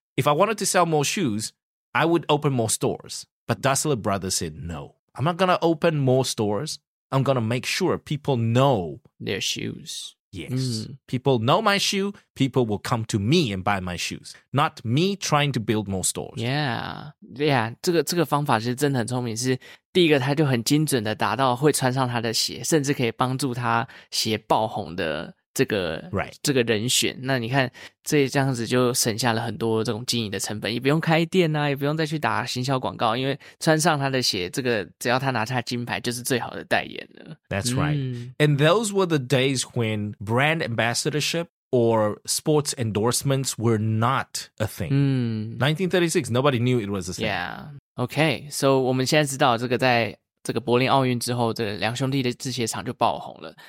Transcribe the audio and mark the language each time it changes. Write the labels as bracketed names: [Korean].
[English] If I wanted to sell more shoes, I would open more stores. But Dassler Brothers said, no, I'm not going to open more stores. I'm going to make sure people know their shoes. Yes. People know my shoe. People will come to me and buy my shoes. Not me trying to build more stores. Yeah. Yeah. [Chinese] 这个方法是真的很聪明。是第一个他就很精准的达到会穿上他的鞋，甚至可以帮助他鞋爆红的这个、 [English] right. [Chinese] 这个人选。那你看这样子就省下了很多这种经营的成本，也不用开店啊，也不用再去打行销广告，因为穿上他的鞋，这个只要他拿下金牌就是最好的代言了。 [English] That's right. And those were the days when brand ambassadorship or sports endorsements were not a thing. 1936, nobody knew it was a thing. Yeah. Okay, so [Chinese] 我们现在知道这个在这个柏林奥运之后，这个、两兄弟的制鞋厂就爆红了。